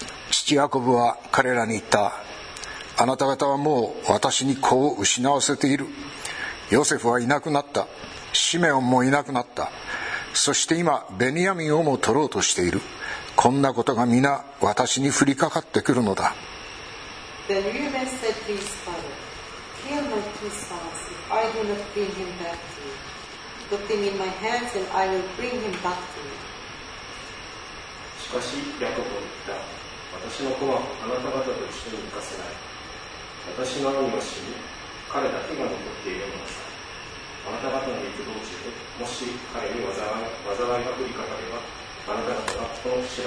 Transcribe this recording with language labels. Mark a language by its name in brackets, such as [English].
[Japanese] 父ヤコブは彼らに言った。あなた方はもう私に子を失わせている。ヨセフはいなくなった。シメオンもいなくなった。そして今ベニヤミンをも取ろうとしている。こんなことが皆私に降りかかってくるのだ。 [English] Then Reuben said to his father, kill my two sons if I do not bring him back to you. Put him in my hands and I will bring him back to you. [Japanese] しかしヤコブは言った。私の子はあなた方と一緒に行かせない。私の兄は死に、彼だけが残っているのさ。あなた方の行く道中でもし彼に災いが降りかかれば、あなた方はこの